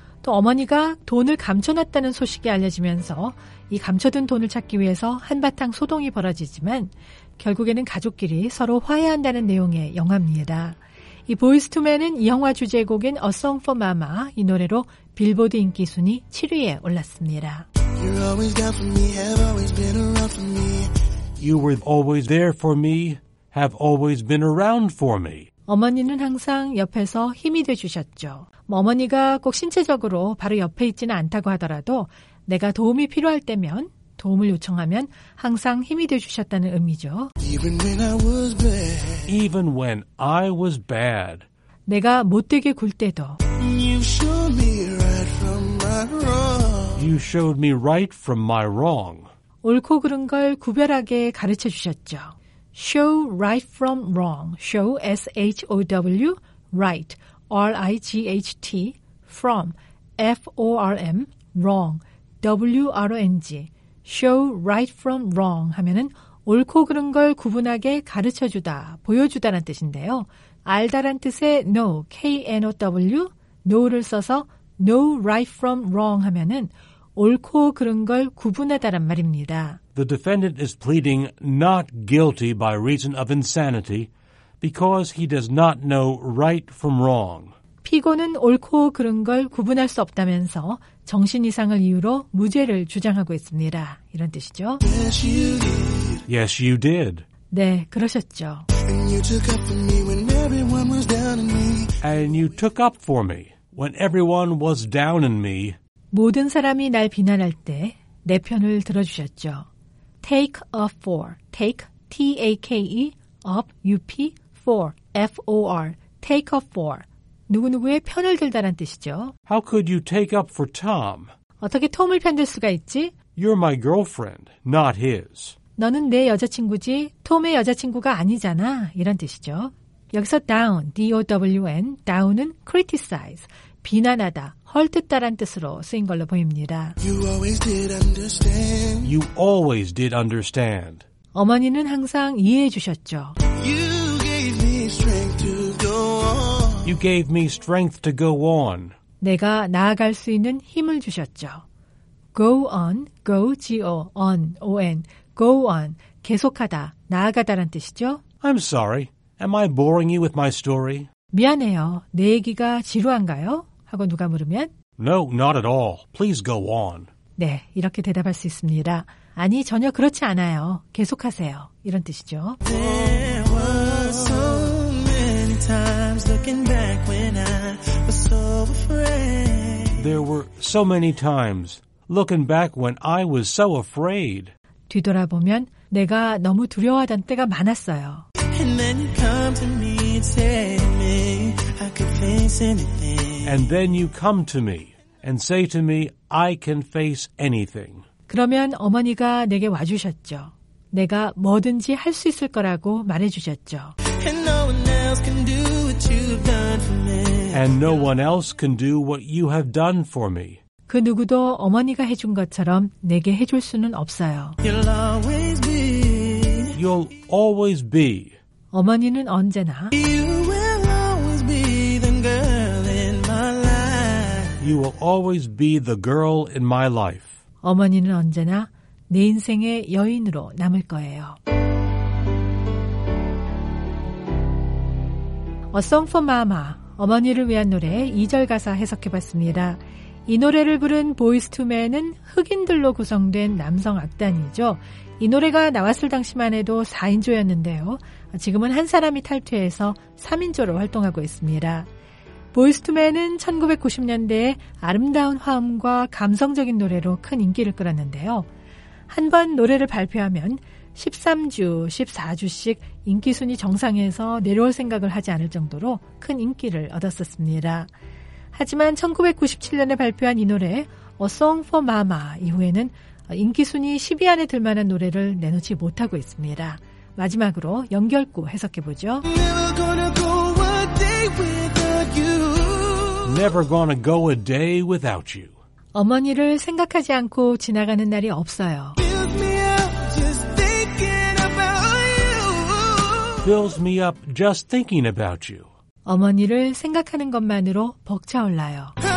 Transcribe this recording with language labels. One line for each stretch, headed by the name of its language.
Korean: 또 어머니가 돈을 감춰놨다는 소식이 알려지면서 이 감춰둔 돈을 찾기 위해서 한바탕 소동이 벌어지지만 결국에는 가족끼리 서로 화해한다는 내용의 영화입니다. 이 보이스 투 맨은 이 영화 주제곡인 A Song for Mama 이 노래로 빌보드 인기 순위 7위에 올랐습니다.
English: You're always there for me, have always been around for me. You were always there for me, have always been around for me.
Korean: 어머니는 항상 옆에서 힘이 돼주셨죠. 뭐 어머니가 꼭 신체적으로 바로 옆에 있지는 않다고 하더라도 내가 도움이 필요할 때면, 도움을 요청하면 항상 힘이 돼주셨다는 의미죠.
English: Even when I was bad. Even when I was bad.
Korean: 내가 못되게 굴 때도.
English: You showed me right from my wrong. You showed me right from my wrong.
Korean: 옳고 그른 걸 구별하게 가르쳐주셨죠.
English: Show right from wrong. Show, S-H-O-W, right, R-I-G-H-T, from, F-O-R-M, wrong, W-R-O-N-G. Show right from wrong
Korean: 하면은 옳고 그른 걸 구분하게 가르쳐주다, 보여주다라는 뜻인데요. 알다란 뜻의 no, K-N-O-W, no를 써서
English: no right from wrong
Korean: 하면은 옳고 그른 걸 구분하다란 말입니다.
English: The defendant is pleading not guilty by reason of insanity because he does not know right from wrong.
Korean: 피고는 옳고 그른 걸 구분할 수 없다면서 정신 이상을 이유로 무죄를 주장하고 있습니다. 이런 뜻이죠.
English: Yes, you did. Yes, you did.
Korean: 네, 그러셨죠.
English: And you took up for me when everyone was down on me. And you took up for me when everyone was down on me.
Korean: 모든 사람이 날 비난할 때 내 편을 들어주셨죠.
English: Take up for. Take, T-A-K-E, up, U-P, for, F-O-R. Take up for.
Korean: 누구누구의 편을 들다란 뜻이죠.
English: How could you take up for Tom?
Korean: 어떻게 톰을 편들 수가 있지?
English: You're my girlfriend, not his.
Korean: 너는 내 여자친구지, 톰의 여자친구가 아니잖아, 이런 뜻이죠. 여기서 down, D-O-W-N, down은 criticize, 비난하다, 헐뜯다란 뜻으로 쓰인 걸로 보입니다.
English: You always did understand. You always did understand.
Korean: 어머니는 항상 이해해 주셨죠.
English: You gave me strength to go on. You gave me strength to go on.
Korean: 내가 나아갈 수 있는 힘을 주셨죠.
English: Go on, go, G-O, on, O-N, go on,
Korean: 계속하다, 나아가다란 뜻이죠.
English: I'm sorry. Am I boring you with my story?
Korean: 미안해요. 내 얘기가 지루한가요? 하고 누가 물으면
English: No, not at all. Please go on.
Korean: 네, 이렇게 대답할 수 있습니다. 아니, 전혀 그렇지 않아요. 계속하세요. 이런 뜻이죠.
English: There was so many times looking back when I was so afraid. There were so many times looking back when I was so afraid.
Korean: 뒤돌아보면 내가 너무 두려워하던 때가 많았어요.
English: And then you come to me and say to me, I could face anything. And then you come to me and say to me, I can face anything.
Korean: 그러면 어머니가 내게 와주셨죠. 내가 뭐든지 할 수 있을 거라고 말해주셨죠.
English: And no one else can do what you've done for me. And no one else can do what you have done for me.
Korean: 그 누구도 어머니가 해준 것처럼 내게 해줄 수는 없어요.
English: You'll always be. You'll always be.
Korean: 어머니는 언제나
English: You will always be the girl in my life. You will always be the girl in my life.
Korean: 어머니는 언제나 내 인생의 여인으로 남을 거예요. A Song for Mama, 어머니를 위한 노래 2절 가사 해석해봤습니다. 이 노래를 부른 Boyz II Men은 흑인들로 구성된 남성 악단이죠. 이 노래가 나왔을 당시만 해도 4인조였는데요. 지금은 한 사람이 탈퇴해서 3인조로 활동하고 있습니다. Boyz II Men은 1990년대에 아름다운 화음과 감성적인 노래로 큰 인기를 끌었는데요. 한번 노래를 발표하면 13주, 14주씩 인기순위 정상에서 내려올 생각을 하지 않을 정도로 큰 인기를 얻었었습니다. 하지만 1997년에 발표한 이 노래 A Song for Mama 이후에는 인기순위 10위 안에 들 만한 노래를 내놓지 못하고 있습니다. 마지막으로 연결구 해석해보죠.
English: Never gonna go a day without you. Never gonna go a day without you.
Korean: 어머니를 생각하지 않고 지나가는 날이 없어요.
English: Fills me up just thinking about you. Fills me up just thinking about you.
Korean: 어머니를 생각하는 것만으로 벅차올라요.